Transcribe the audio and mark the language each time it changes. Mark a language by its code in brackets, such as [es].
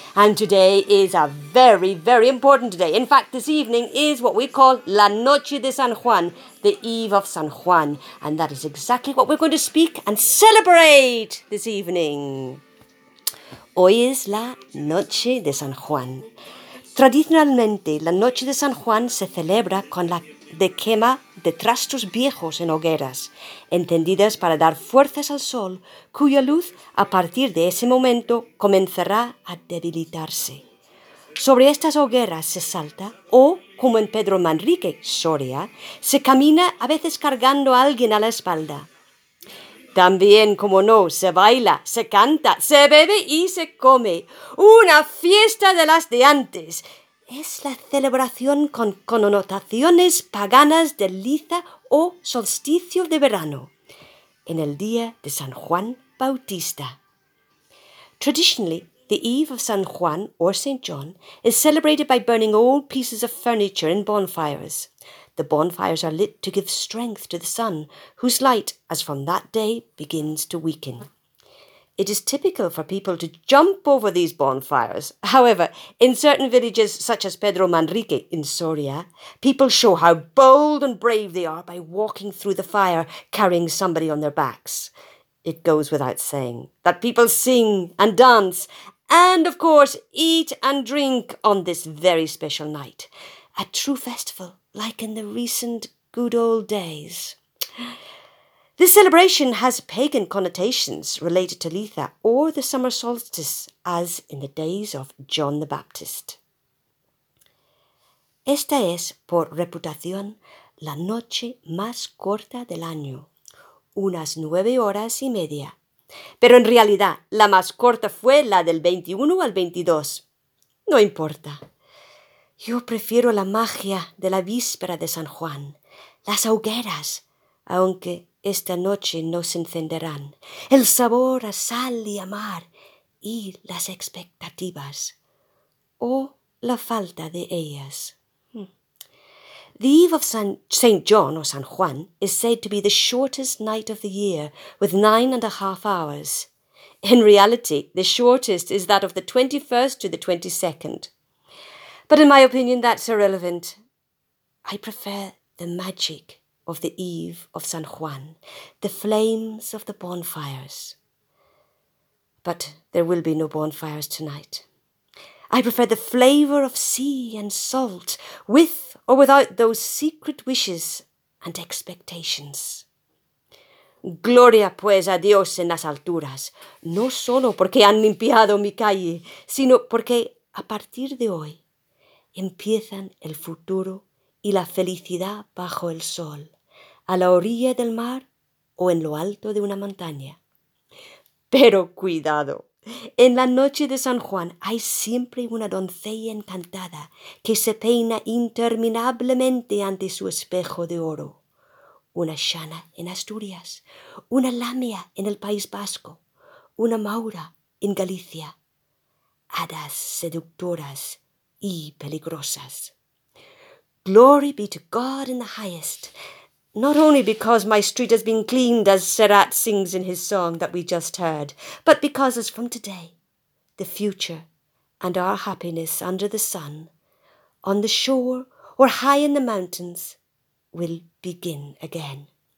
[en] And today is a very, very important day. In fact, this evening is what we call La Noche de San Juan, the Eve of San Juan. And that is exactly what we're going to speak and celebrate this evening. [es] Hoy es La Noche de San Juan. Tradicionalmente, la Noche de San Juan se celebra con la de quema de trastos viejos en hogueras, encendidas para dar fuerzas al sol, cuya luz, a partir de ese momento, comenzará a debilitarse. Sobre estas hogueras se salta, o, como en Pedro Manrique, Soria, se camina a veces cargando a alguien a la espalda. También, como no, se baila, se canta, se bebe y se come. ¡Una fiesta de las de antes! Es la celebración con connotaciones paganas del liza o solsticio de verano, en el día de San Juan Bautista. [en] Traditionally, the Eve of San Juan, or St. John, is celebrated by burning old pieces of furniture in bonfires. The bonfires are lit to give strength to the sun, whose light, as from that day, begins to weaken. It is typical for people to jump over these bonfires. However, in certain villages, such as Pedro Manrique in Soria, people show how bold and brave they are by walking through the fire, carrying somebody on their backs. It goes without saying that people sing and dance, and of course, eat and drink on this very special night. A true festival, like in the recent good old days. This celebration has pagan connotations related to Lita or the summer solstice, as in the days of John the Baptist. [es] Esta es, por reputación, la noche más corta del año, unas 9 horas y media. Pero en realidad, la más corta fue la del 21 al 22. No importa. Yo prefiero la magia de la víspera de San Juan, las hogueras, aunque esta noche no se encenderán, el sabor a sal y a mar y las expectativas, o la falta de ellas. [en] The Eve of St. John, or San Juan, is said to be the shortest night of the year, with 9.5 hours. In reality, the shortest is that of the 21st to the 22nd. But in my opinion, that's irrelevant. I prefer the magic of the Eve of San Juan, the flames of the bonfires. But there will be no bonfires tonight. I prefer the flavour of sea and salt, with or without those secret wishes and expectations. [es] Gloria pues a Dios en las alturas, no solo porque han limpiado mi calle, sino porque a partir de hoy, empiezan el futuro y la felicidad bajo el sol, a la orilla del mar o en lo alto de una montaña. Pero cuidado, en la noche de San Juan hay siempre una doncella encantada que se peina interminablemente ante su espejo de oro. Una Xana en Asturias, una Lamia en el País Vasco, una Maura en Galicia. Hadas seductoras y peligrosas. [en] Glory be to God in the highest, not only because my street has been cleaned, as Serrat sings in his song that we just heard, but because as from today, the future and our happiness under the sun, on the shore or high in the mountains, will begin again.